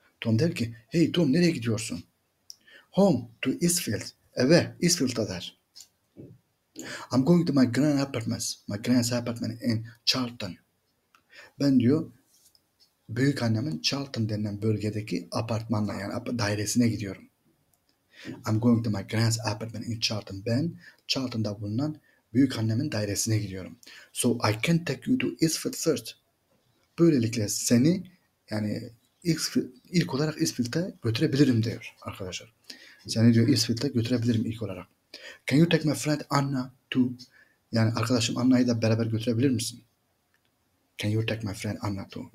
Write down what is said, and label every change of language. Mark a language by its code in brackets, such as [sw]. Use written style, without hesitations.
[tr] Tom der ki, hey Tom nereye gidiyorsun? [en] Home to Eastfield. [tr] Eve, Eastfield'a der. [en] I'm going to my grand apartment. My grand apartment in Charlton. [tr] Ben diyor, büyük annemin Charlton denilen bölgedeki apartmanla yani dairesine gidiyorum. [en] I'm going to my grand's apartment in Charlton. [tr] Ben Charlton'da bulunan büyük annemin dairesine gidiyorum. [en] So I can take you to Eastfield first. [tr] Böylelikle seni yani ilk olarak Eastfield'a götürebilirim diyor arkadaşlar. Seni diyor Eastfield'a götürebilirim ilk olarak. [en] Can you take my friend Anna too? [tr] Yani arkadaşım Anna'yı da beraber götürebilir misin? [en] Can you take my friend Anna too?